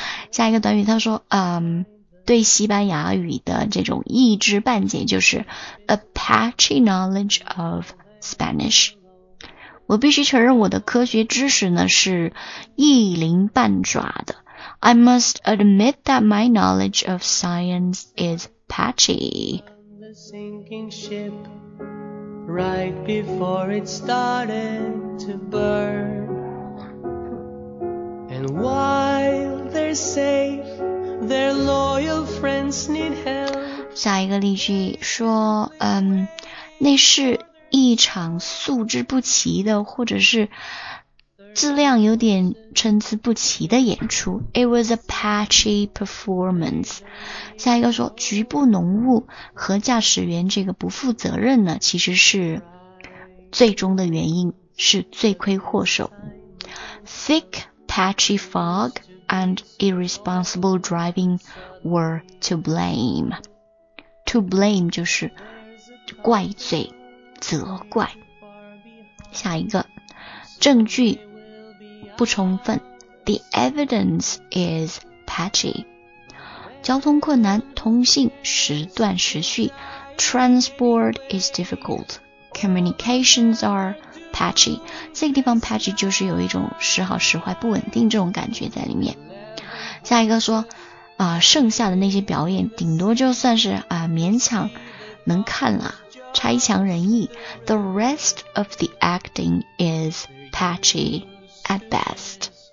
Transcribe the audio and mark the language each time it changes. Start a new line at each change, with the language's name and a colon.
Chinese: 下一个短语，他说对西班牙语的这种一知半解，就是
English: a patchy knowledge of Spanish.
Chinese: 我必须承认我的科学知识呢是一鳞半爪的。
English: I must admit that my knowledge of science is patchy. Sinking ship right before it started to burn. And And while they're safe, their loyal friends need help.
Chinese: 下一个例句说，那是一场素质不齐的，或者是质量有点参差不齐的演出。
English: It was a patchy performance.
Chinese: 下一个说，局部浓雾和驾驶员这个不负责任呢，其实是最终的原因，是罪魁祸首。
English: Thick, patchy fog and irresponsible driving were to blame.
Chinese: To blame 就是怪罪、责怪。下一个，证据不充分。
English: The evidence is patchy.
Chinese: 交通困难，通信时断时续。
English: Transport is difficult. Communications are patchy.
Chinese: 这个地方 patchy 就是有一种时好时坏、不稳定这种感觉在里面。下一个说剩下的那些表演顶多就算是勉强能看了，差强人意。
English: The rest of the acting is patchy at best.